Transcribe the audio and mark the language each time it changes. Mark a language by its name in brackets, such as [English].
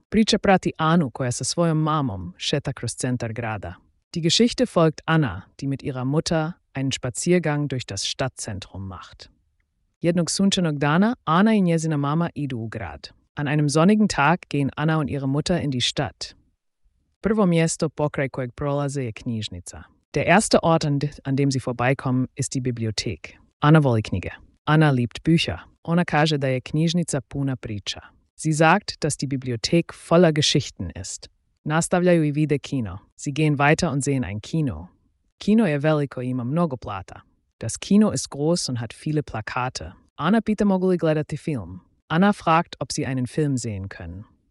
[Croatian] Priče prati Anu koja sa svojom mamom Šetnjakros Centar grada. [German] Die Geschichte folgt Anna, die mit ihrer Mutter einen Spaziergang durch das Stadtzentrum macht. [Croatian] Jednog sunčanog dana Anna i njezina mama idu u grad. [German] An einem sonnigen Tag gehen Anna und ihre Mutter in die Stadt. [Croatian] Prvo mjesto pokraj kojeg prolaze je knjižnica. [German] Der erste Ort, an dem sie vorbeikommen, ist die Bibliothek. [Croatian] Anna voli knjige. [German] Anna liebt Bücher. [Croatian] Ona kaže da je knjižnica puna priča. [German] Sie sagt, dass die Bibliothek voller Geschichten ist. [Croatian] Nastavljaju i vide kino. [German] Sie gehen weiter und sehen ein Kino. [Croatian] Kino je veliko i ima mnogo plata. [German] Das Kino ist groß und hat viele Plakate. [Croatian] Anna pita mogu li gledati film. [German] Anna fragt, ob sie einen Film sehen können.